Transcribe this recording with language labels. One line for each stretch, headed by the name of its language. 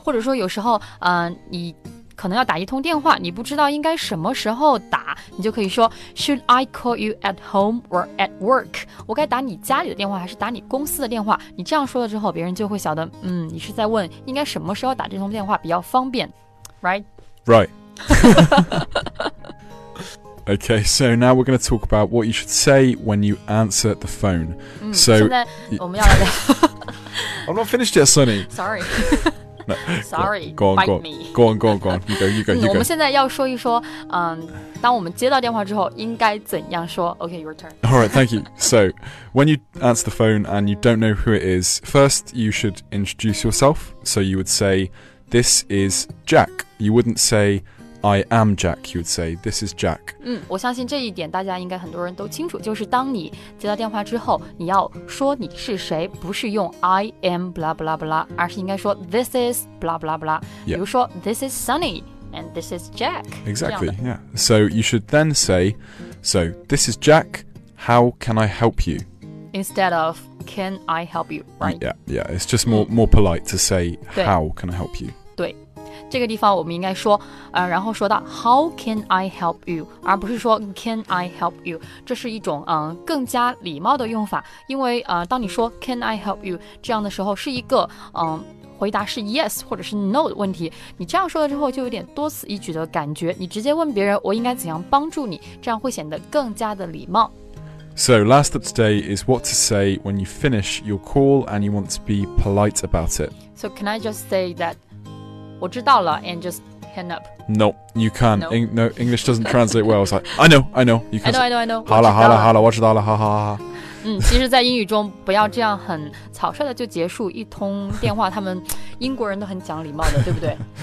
Chinese: 或者说有时候你可能要打一通电话，你不知道应该什么时候打，你就可以说
English: should I call you at home or at work?
Chinese: 我该打你家里的电话还是打你公司的电话，你这样说了之后别人就会晓得你是在问应该什么时候打这通电话比较方便，
English: right? Right. Okay, so now we're going to talk about what you should say when you answer the phone. So,
Chinese: 现在我们要来
English: I'm not finished yet, Sonny. Sorry. No, sorry, go on. You go.
Chinese: 我们现在要说一说当我们接到电话之后应该怎样说。
English: Okay, your turn. All right, thank you. So, when you answer the phone and you don't know who it is, first you should introduce yourself. So you would say, this is Jack. You wouldn't say... I am Jack, you'd say, this is Jack.
Chinese: 我相信这一点大家应该很多人都清楚，就是当你接到电话之后，你要说你是谁，不是用
English: I am blah blah blah,
Chinese: 而是应该说
English: this is blah blah blah. Yeah.
Chinese: 比如说
English: this is Sunny, and this is Jack. Exactly, yeah. So you should then say, so this is Jack, how can I help you? Instead of, can I help you, right? Yeah, it's just more polite to say, how can I help you?
Chinese: 对。这个地方我们应该说然后说到
English: How can I help you?
Chinese: 而不是说
English: Can I help you?
Chinese: 这是一种更加礼貌的用法，因为当你说 Can I help you? 这样的时候是一个回答是 yes 或者是 no 的问题，你这样说了之后就有点多此一举的感觉，你直接问别人我应该怎样帮助你，这样会显得更加的礼貌。
English: So last up today is what to say when you finish your call and you want to be polite about it. So can I just say that
Chinese: 我知道了
English: and just hang up. No, you can't. No. No, English doesn't translate well. It's like, I know. You can't. I know.
Chinese: 好了好了好了我知道了好好好其实在英语中不要这样很草率的就结束一通电话，他们英国人都很讲礼貌的，对不对？